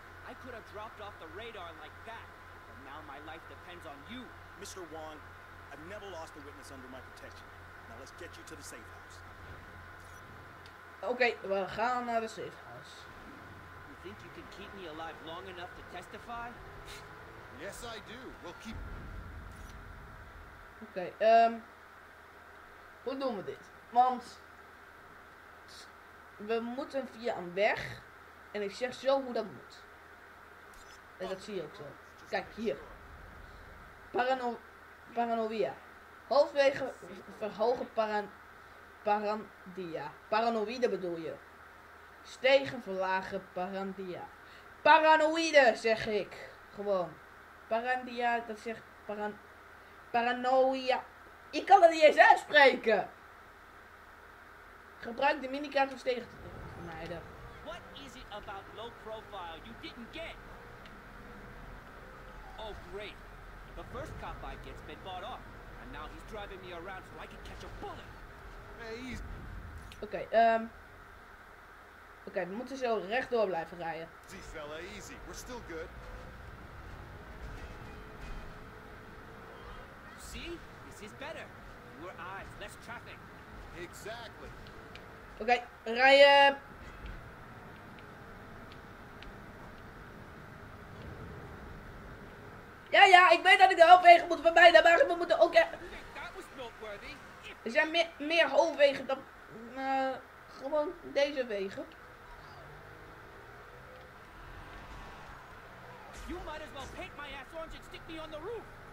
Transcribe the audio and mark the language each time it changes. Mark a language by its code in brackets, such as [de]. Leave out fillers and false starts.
[en] I could have dropped off the radar like that. But now my life depends on you. Mr. Wong, I've never lost a witness under my protection. Now let's get you to the safe house. [nl] Oké, we gaan naar de safe house. [en] You think you can keep me alive long enough to testify? Yes, I do. We'll keep... [nl] Oké, hoe doen we dit? Want we moeten via een weg en ik zeg zo hoe dat moet. En dat zie je ook zo. Kijk hier. Paranoia. Halfwege verhogen parandia. Paranoïde bedoel je. Stegen verlagen parandia. Paranoïde zeg ik. Gewoon. Parandia, dat zegt paranoia. Ik kan dat niet eens uitspreken. Gebruik de minikaart om stegen te vermijden. [en] What is it about low profile you didn't get? Oh great. The first cop I get's been bought off. And now he's driving me around so I can catch a bullet. Hey, he's... [nl] Okay, okay, we moeten zo rechtdoor blijven rijden. [en] See fella, easy. We're still good. See? This is better. Your eyes, less traffic. Exactly. [nl] Okay, rijden. Ja, ik weet dat ik de hoofdwegen moet vermijden, maar we moeten ook... Er zijn meer hoofdwegen dan gewoon deze wegen. [en] You might as well paint my ass orange and stick me on the roof.